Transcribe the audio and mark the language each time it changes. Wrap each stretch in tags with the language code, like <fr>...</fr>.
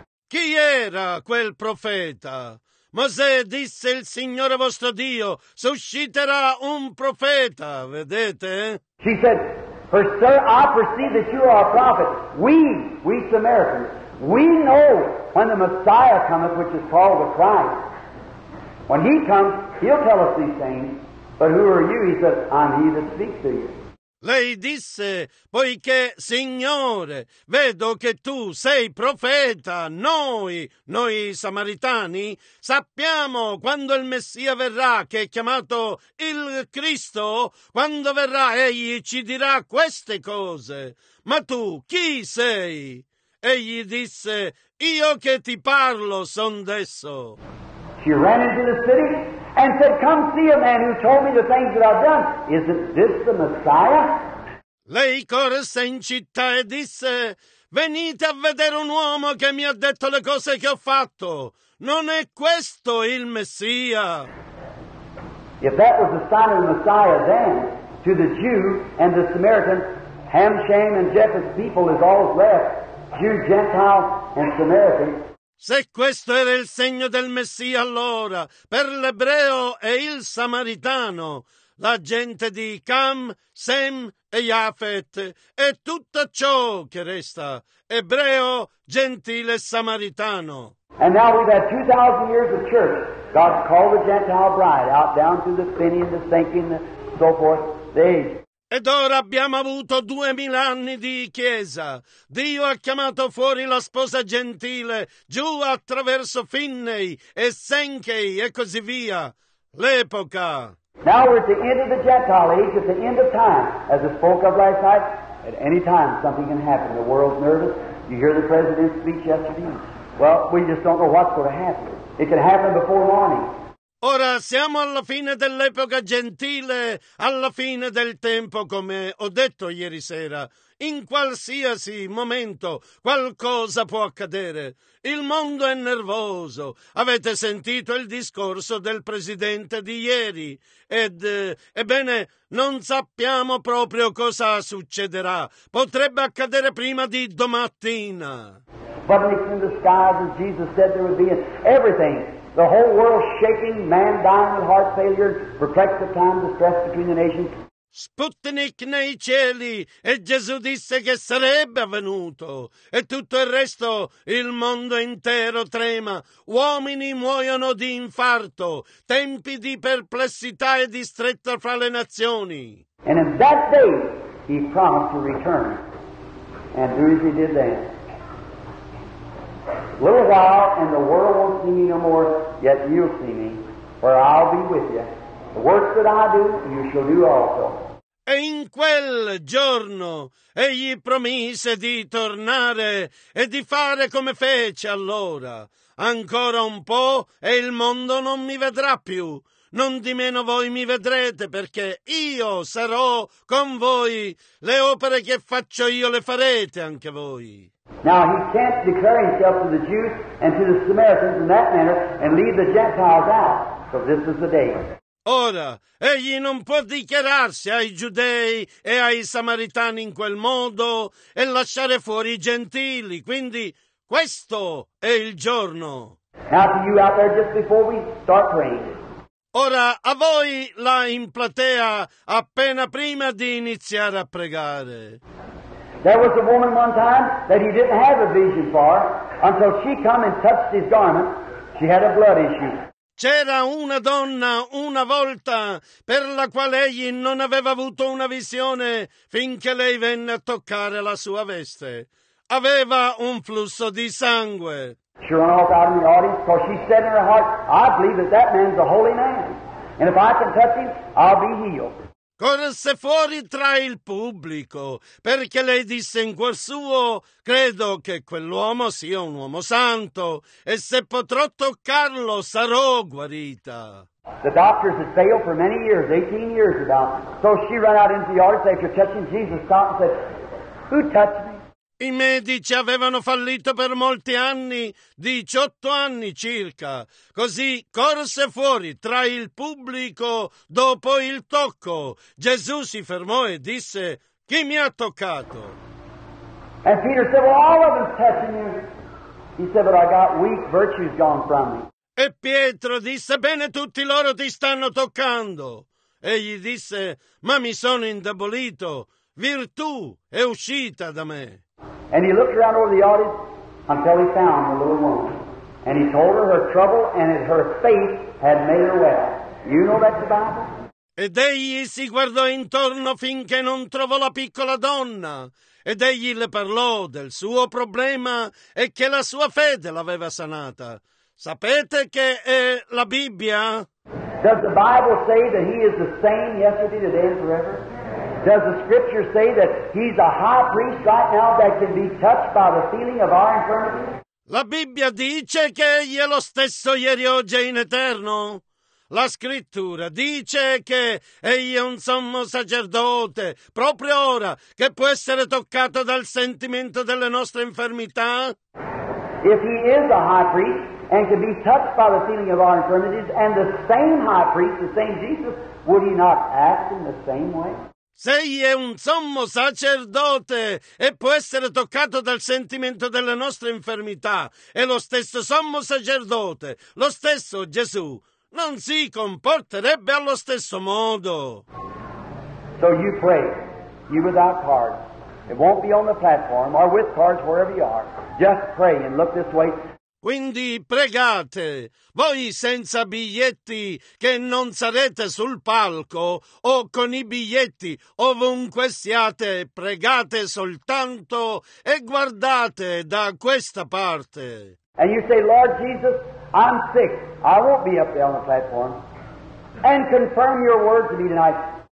<it>Chi era quel profeta? Mosè disse, il Signore vostro Dio susciterà un profeta, vedete?</it> <en>She said, for sir, I perceive that you are a prophet. We Samaritans, we know when the Messiah cometh, which is called the Christ. When he comes, he'll tell us these things. But who are you? He says, I'm he that speaks to you.</en> <it>Lei disse, poiché, Signore, vedo che tu sei profeta, noi samaritani, sappiamo quando il Messia verrà, che è chiamato il Cristo, quando verrà egli ci dirà queste cose. Ma tu chi sei? Egli disse, io che ti parlo son d'esso.</it> <en>She ran into the city and said, come see a man who told me the things that I've done. Isn't this the Messiah?</en> <it>Lei corse in città e disse, venite a vedere un uomo che mi ha detto le cose che ho fatto. Non è questo il Messia?</it> <en>If that was the sign of the Messiah then, to the Jew and the Samaritan, Ham, Shem and Japheth's people is all left, Jew, Gentile and Samaritan.</en> <it>Se questo era il segno del Messia allora, per l'ebreo e il samaritano, la gente di Cam, Sem e Japhet, e tutto ciò che resta, ebreo, gentile e samaritano.</it> <en>And now we've had 2,000 years of church. God's called the Gentile bride out down through the spinning, the sinking, and so forth.</en> <it>Ed ora abbiamo avuto 2,000 anni di chiesa. Dio ha chiamato fuori la sposa gentile, giù attraverso Finney e Senkei e così via. L'epoca.</it> <en>Now we're at the end of the Gentile age, at the end of time. As I spoke of last night, at any time something can happen. The world's nervous. You hear the president's speech yesterday. Well, we just don't know what's going to happen. It can happen before morning.</en> <it>Ora siamo alla fine dell'epoca gentile, alla fine del tempo, come ho detto ieri sera. In qualsiasi momento qualcosa può accadere. Il mondo è nervoso. Avete sentito il discorso del presidente di ieri? Ebbene, non sappiamo proprio cosa succederà. Potrebbe accadere prima di domattina.</it> <en>But in the skies, as Jesus said, there would be everything. The whole world shaking, man dying with heart failure, perplexed at times, distressed between the nations.</en> <it>Sputnik nei cieli, e Gesù disse che sarebbe avvenuto. E tutto il resto, il mondo intero trema. Uomini muoiono di infarto. Tempi di perplessità e di stretta fra le nazioni.</it> <en>And in that day, he promised to return. And who did he do that? Little while, and the world won't see me no more, yet you'll see me, for I'll be with you. The works that I do, you shall do also.</en> <it>E in quel giorno, egli promise di tornare e di fare come fece allora. Ancora un po', e il mondo non mi vedrà più. Non di meno voi mi vedrete, perché io sarò con voi. Le opere che faccio io le farete anche voi.</it> <en>Now he can't declare himself to the Jews and to the Samaritans in that manner and leave the Gentiles out. So this is the day.</en> <it>Ora, egli non può dichiararsi ai giudei e ai samaritani in quel modo e lasciare fuori i gentili. Quindi questo è il giorno.</it> <en>Now to you out there just before we start praying.</en> <it>Ora, a voi là in platea appena prima di iniziare a pregare.</it> <en>There was a woman one time that he didn't have a vision for until she came and touched his garment. She had a blood issue.</en> <it>C'era una donna una volta per la quale egli non aveva avuto una visione finché lei venne a toccare la sua veste. Aveva un flusso di sangue.</it> <en>She ran off out in the audience because she said in her heart, I believe that that man's a holy man. And if I can touch him, I'll be healed.</en> <it>Corse fuori tra il pubblico, perché lei disse in cuor suo, credo che quell'uomo sia un uomo santo, e se potrò toccarlo sarò guarita.</it> <en>The doctors had failed for many years, 18 years about. So she ran out into the yard after touching Jesus, stopped and said, who touched me?</en> <it>I medici avevano fallito per molti anni, 18 anni circa. Così corse fuori tra il pubblico dopo il tocco. Gesù si fermò e disse, chi mi ha toccato?</it> <en>And Peter said, well, all of them's touching you. He said, but I got weak virtues gone from me.</en> <it>E Pietro disse, bene, tutti loro ti stanno toccando. Egli disse, ma mi sono indebolito. Virtù è uscita da me.</it> <en>And he looked around over the audience until he found the little woman. And he told her her trouble and that her faith had made her well. You know that's the Bible?</en> <it>Ed egli si guardò intorno finché non trovò la piccola donna, ed egli le parlò del suo problema e che la sua fede l'aveva sanata. Sapete che è la Bibbia?</it> <en>Does the Bible say that he is the same yesterday, today, and forever? Does the Scripture say that he's a high priest right now that can be touched by the feeling of our infirmity?</en> <it>La Bibbia dice che egli è lo stesso ieri, oggi e in eterno. La Scrittura dice che egli è un sommo sacerdote, proprio ora, che può essere toccato dal sentimento delle nostre infermità.</it> <en>If he is a high priest and can be touched by the feeling of our infirmities, and the same high priest, the same Jesus, would he not act in the same way?</en> <it>Se egli è un sommo sacerdote e può essere toccato dal sentimento delle nostre infermità, è lo stesso sommo sacerdote, lo stesso Gesù, non si comporterebbe allo stesso modo.</it> <en>So you pray, you without cards. It won't be on the platform or with cards wherever you are. Just pray and look this way.</en> <it>Quindi pregate, voi senza biglietti che non sarete sul palco o con i biglietti ovunque siate, pregate soltanto e guardate da questa parte.</it> <en>And you say, Lord Jesus, I'm sick. I won't be up there on the platform. And confirm your word to me tonight.</en>